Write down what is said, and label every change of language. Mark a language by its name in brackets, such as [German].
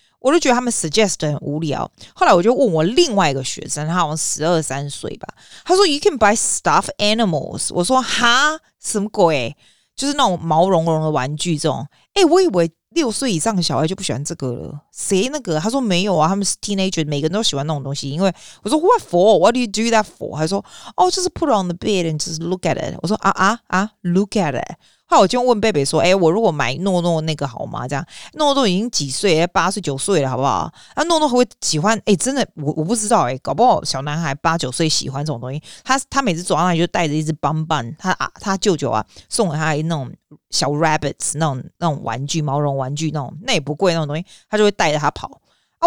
[Chinese] 我就觉得他们 suggest 很无聊。后来我就问我另外一个学生，他好像十二三岁吧，他说 [English] You can buy stuffed animals, [Chinese] 我说哈什么鬼，就是那种毛茸茸的玩具这种。我以为六岁以上的小孩就不喜欢这个了，谁那个，他说没有啊，他们是 teenager, 每个人都喜欢那种东西。因为我说 [English] What for? What do you do that for? [Chinese] 他说哦，就是 [English] put on the bed and just look at it. [Chinese] 我说啊 [English] look at it. [Chinese] 后来我就问贝贝说我如果买诺诺那个好吗，这样诺诺已经几岁，八岁九岁了好不好，那诺诺会喜欢真的 我不知道搞不好小男孩八九岁喜欢这种东西。他每次走到那里就带着一只棒棒，他舅舅啊送给他那种小 rabbits 那种玩具，毛绒玩具那种，那也不贵那种东西，他就会带着他跑啊。